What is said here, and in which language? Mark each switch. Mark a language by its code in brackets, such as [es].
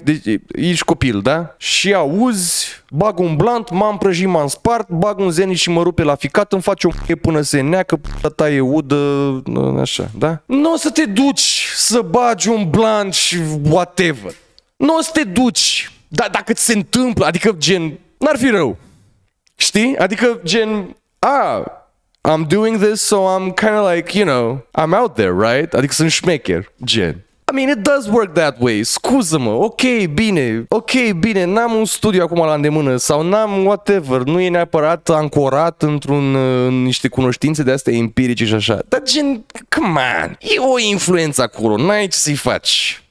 [ro] Deci, ești copil, da? Și auzi, bag un blunt, m-am prăjit, m-am spart, bag un zeni și mă rupe la ficat, îmi face o p*** până se neacă, p***a ta e udă, așa, da? N-o să te duci să bagi un blunt și whatever. N-o să te duci, dar dacă ți se întâmplă, adică gen, n-ar fi rău. Știi? Adică gen, [en] I'm doing this, so I'm kind of like, you know, I'm out there, right? [ro] Adică sunt șmecher, gen. [en] I mean, it does work that way, [ro] scuză-mă, ok, bine, n-am un studiu acum la îndemână sau n-am whatever, nu e neapărat ancorat în niște cunoștințe de-astea empirice și așa. Dar gen, [en] come on, [ro] e o influență acolo, n-ai ce să-i faci.